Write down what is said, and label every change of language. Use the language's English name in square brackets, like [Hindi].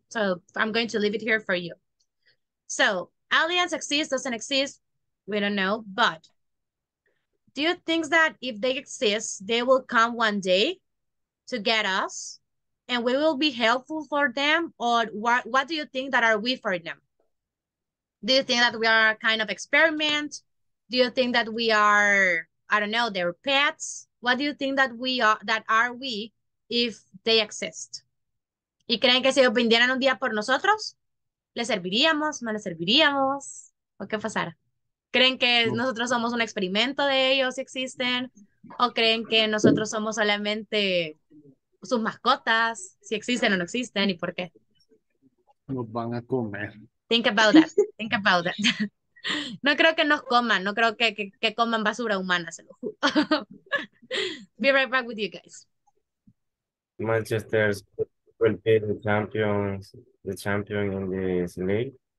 [English] So I'm going to leave it here for you. So aliens exist, doesn't exist, we don't know, but do you think that if they exist, they will come one day to get us and we will be helpful for them? Or what do you think that are we for them? Do you think that we are a kind of experiment? Do you think that we are, I don't know, their pets? What do you think that we are, that are we, if they exist? [Spanish] ¿Y creen que si vinieran un día por nosotros, les serviríamos, no les serviríamos? ¿O qué pasará? ¿Creen que nosotros somos un experimento de ellos si existen? ¿O creen que nosotros somos solamente sus mascotas, si existen o no existen y por qué? Nos van a comer. [English] Think about that, think about that. [Spanish] No creo que nos coman, no creo que coman basura humana, se lo juro. [English] Be right back with you guys. Manchester will be the champion in this league.